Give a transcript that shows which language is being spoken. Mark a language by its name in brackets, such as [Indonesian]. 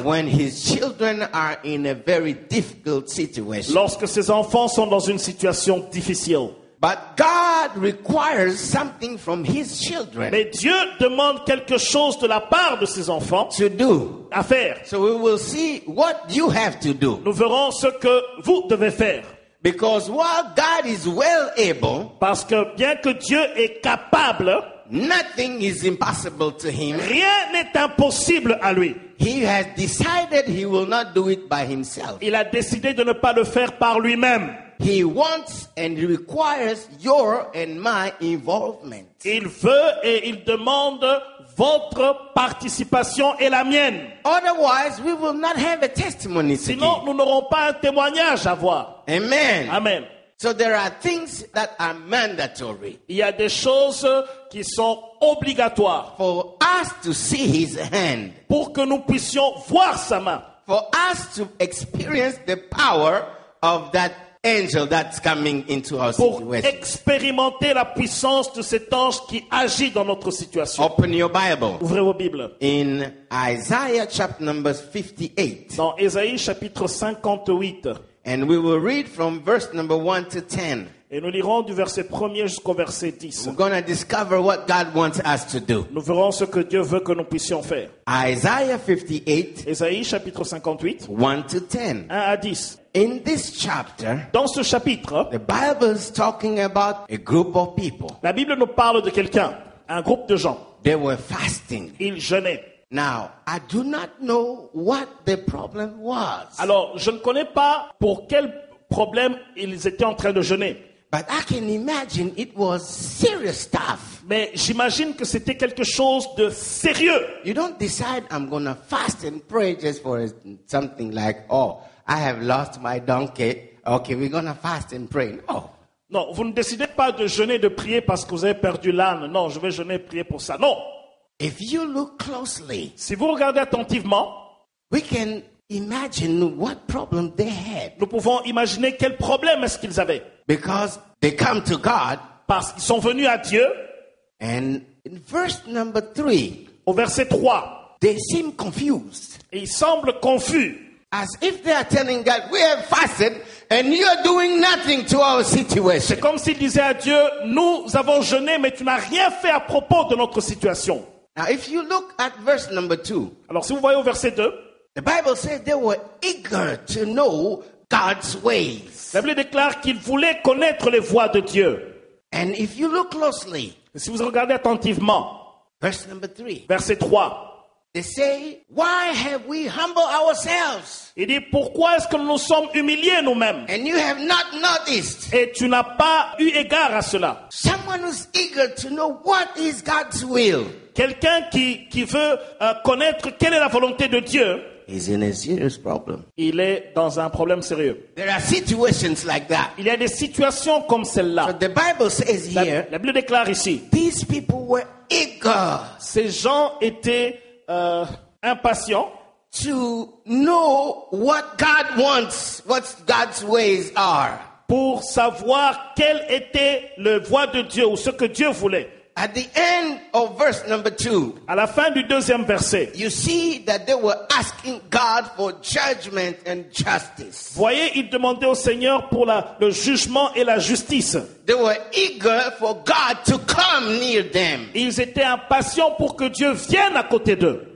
[English] When his children are in a very difficult situation. [French] Lorsque ses enfants sont dans une situation difficile. [English] But God requires something from his children. [French] Mais Dieu demande quelque chose de la part de ses enfants. [English] To do. [French] À faire. [English] So we will see what you have to do. [French] Nous verrons ce que vous devez faire. [English] Because while God is well able. [French] Parce que bien que Dieu est capable. [English] Nothing is impossible to him. [French] Rien n'est impossible à lui. [English] He has decided he will not do it by himself. [French] Il a décidé de ne pas le faire par lui-même. [English] He wants and requires your and my involvement. [French] Il veut et il demande votre participation et la mienne. [English] Otherwise, we will not have a testimony. [French] Sinon, nous n'aurons pas un témoignage à voir. Amen. Amen. [English] So there are things that are mandatory. [French] Il y a des choses qui sont obligatoires. [English] For us to see his hand. [French] Pour que nous puissions voir sa main. [English] For us to experience the power of that angel that's coming into our situation. [French] Pour expérimenter la puissance de cet ange qui agit dans notre situation. [English] Open your Bible. [French] Ouvrez vos Bibles. [English] In Isaiah chapter number 58. [French] Dans Ésaïe chapitre 58. [English] And we will read from verse number 1 to 10. [French] Et nous lirons du verset 1 jusqu'au verset 10. [English] We're going to discover what God wants us to do. [French] Nous verrons ce que Dieu veut que nous puissions faire. [English] Isaiah 58. [French] Ésaïe chapitre 58. [English] 1 to 10. [French] 1 à 10. [English] In this chapter, [French] dans ce chapitre, [English] the Bible is talking about a group of people. [French] La Bible nous parle de quelqu'un, un groupe de gens. [English] They were fasting. [French] Ils jeûnaient. [English] Now, I do not know what the problem was. [French] Alors, je ne connais pas pour quel problème ils étaient en train de jeûner. [English] But I can imagine it was serious stuff. [French] Mais j'imagine que c'était quelque chose de sérieux. [English] You don't decide I'm going to fast and pray just for something like, oh, I have lost my donkey. Okay, we're going to fast and pray. No. [French] Non, vous ne décidez pas de jeûner, de prier parce que vous avez perdu l'âne. Non, je vais jeûner et prier pour ça. Non. [English] If you look closely, [French] si vous regardez attentivement, [English] we can imagine what problem they had. [French] Nous pouvons imaginer quel problème est-ce qu'ils avaient. [English] Because they come to God, [French] parce qu'ils sont venus à Dieu. [English] And in verse number three, [French] au verset 3, [English] they seem confused. [French] Ils semblent confus. [English] As if they are telling God, we have fasted and you are doing nothing to our situation. [French] C'est comme s'ils disaient à Dieu, nous avons jeûné mais tu n'as rien fait à propos de notre situation. [English] Now if you look at verse number two, [French] alors si vous voyez au verset 2, [English] the Bible says they were eager to know God's ways. [French] La Bible déclare qu'ils voulaient connaître les voies de Dieu. [English] And if you look closely, [French] si vous regardez attentivement, [English] verse number three, [French] verset 3, [English] they say, why have we humbled ourselves? [French] Il dit, pourquoi est-ce que nous nous sommes humiliés nous-mêmes? [English] And you have not noticed. [French] Et tu n'as pas eu égard à cela. [English] Someone who's eager to know what is God's will. [French] Quelqu'un qui veut connaître quelle est la volonté de Dieu. [English] He's in a serious problem. [French] Il est dans un problème sérieux. [English] There are situations like that. [French] Il y a des situations comme celle-là. [English] So the Bible says here, [French] la Bible déclare ici, [English] these people were eager. [French] Ces gens étaient impatient [English] to know what God wants, what God's ways are. [French] Pour savoir quelle était le voie de Dieu ou ce que Dieu voulait. [English] At the end of verse number two, [French] à la fin du deuxième verset, [English] you see that they were asking God for judgment and justice. [French] Voyez, ils demandaient au Seigneur pour le jugement et la justice. [English] They were eager for God to come near them. [French] Ils étaient impatients pour que Dieu vienne à côté d'eux.